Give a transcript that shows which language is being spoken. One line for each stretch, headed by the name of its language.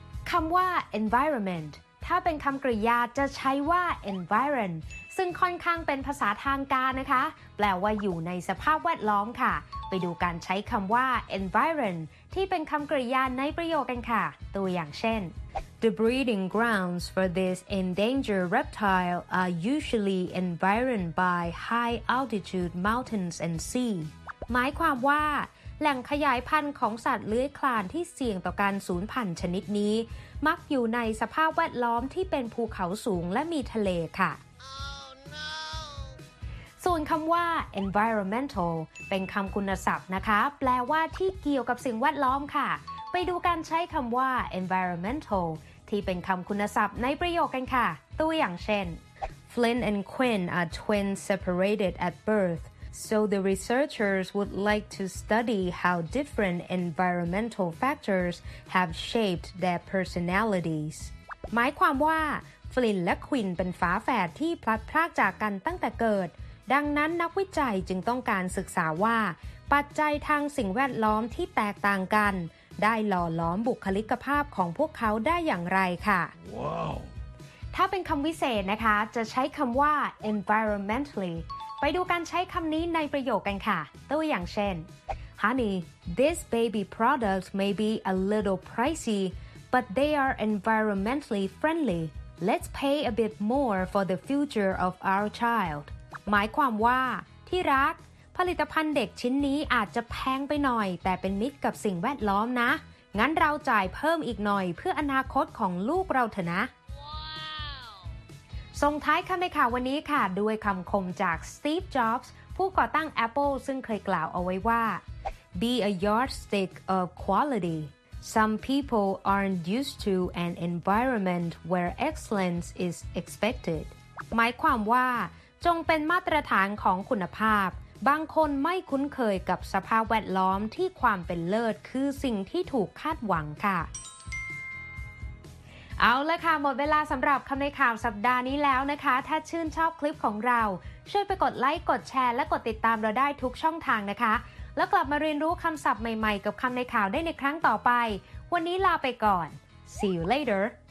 Thai: คำว่า environment ถ้าเป็นคำกริยาจะใช้ว่า environ ซึ่งค่อนข้างเป็นภาษาทางการนะคะแปลว่าอยู่ในสภาพแวดล้อมค่ะไปดูการใช้คำว่า environ ที่เป็นคำกริยาในประโยคกันค่ะตัวอย่างเช่น
English: The breeding grounds for this endangered reptile are usually environed by high altitude mountains and sea
Thai: หมายความว่าแหล่งขยายพันธุ์ของสัตว์เลื้อยคลานที่เสี่ยงต่อการสูญพันธุ์ชนิดนี้มักอยู่ในสภาพแวดล้อมที่เป็นภูเขาสูงและมีทะเลค่ะส่วนคำว่า environmental เป็นคำคุณศัพท์นะคะแปลว่าที่เกี่ยวกับสิ่งแวดล้อมค่ะไปดูการใช้คำว่า environmental ที่เป็นคำคุณศัพท์ในประโยคกันค่ะตัวอย่างเช่น
English: Flynn and Quinn are twins separated at birth so the researchers would like to study how different environmental factors have shaped their personalities
Thai: หมายความว่า Flynn และ Quinn เป็นฝาแฝดที่พลัดพรากจากกันตั้งแต่เกิดดังนั้นนักวิจัยจึงต้องการศึกษาว่าปัจจัยทางสิ่งแวดล้อมที่แตกต่างกันได้หล่อล้อมบุคลิกภาพของพวกเขาได้อย่างไรค่ะ
English: wow.
Thai: ถ้าเป็นคำวิเศษนะคะจะใช้คำว่า environmentally ไปดูการใช้คำนี้ในประโยคกันค่ะตัวอย่างเช่น
English: Honey, this baby product may be a little pricey but they are environmentally friendly. Let's pay a bit more for the future of our child
Thai: หมายความว่าที่รักผลิตภัณฑ์เด็กชิ้นนี้อาจจะแพงไปหน่อยแต่เป็นมิตรกับสิ่งแวดล้อมนะงั้นเราจ่ายเพิ่มอีกหน่อยเพื่ออนาคตของลูกเราเถอะนะ
English: wow.
Thai: ส่งท้ายคำในข่าววันนี้ค่ะด้วยคำคมจากสตีฟจ็อบส์ผู้ก่อตั้ง Apple ซึ่งเคยกล่าวเอาไว้ว่า
English: Be a yardstick of quality Some people aren't used to an environment where excellence is expected
Thai: หมายความว่าจงเป็นมาตรฐานของคุณภาพบางคนไม่คุ้นเคยกับสภาพแวดล้อมที่ความเป็นเลิศคือสิ่งที่ถูกคาดหวังค่ะเอาละค่ะหมดเวลาสำหรับคำในข่าวสัปดาห์นี้แล้วนะคะถ้าชื่นชอบคลิปของเราช่วยไปกดไลค์กดแชร์และกดติดตามเราได้ทุกช่องทางนะคะแล้วกลับมาเรียนรู้คำศัพท์ใหม่ๆกับคำในข่าวได้ในครั้งต่อไปวันนี้ลาไปก่อน
English: See you later